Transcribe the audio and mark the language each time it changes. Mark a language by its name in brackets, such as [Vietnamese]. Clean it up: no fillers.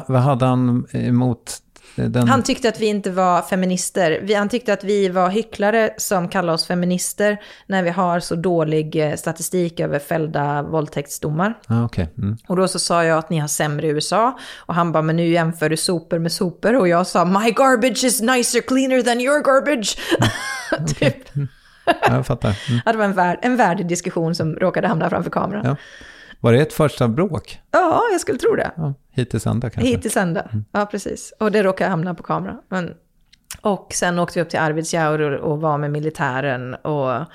[Swedish] Vad hade han emot? Han tyckte att vi inte var feminister. Han tyckte att vi var hycklare som kallar oss feminister när vi har så dålig statistik över fällda våldtäktsdomar. Ah, okay. Mm. Och då så sa jag att ni har sämre i USA. Och han bara, men nu jämför du sopor med sopor. Och jag sa, [English] my garbage is nicer, cleaner than your garbage. [Swedish] typ. Ja, jag fattar. Mm. Det var en värdig diskussion som råkade hamna framför kameran. Ja. Var det ett första bråk? Ja, jag skulle tro det. Ja, hittills ända kanske. Hittills ända, ja precis. Och det råkade hamna på kamera. Men... Och sen åkte vi upp till Arvidsjaur och var med militären. Och...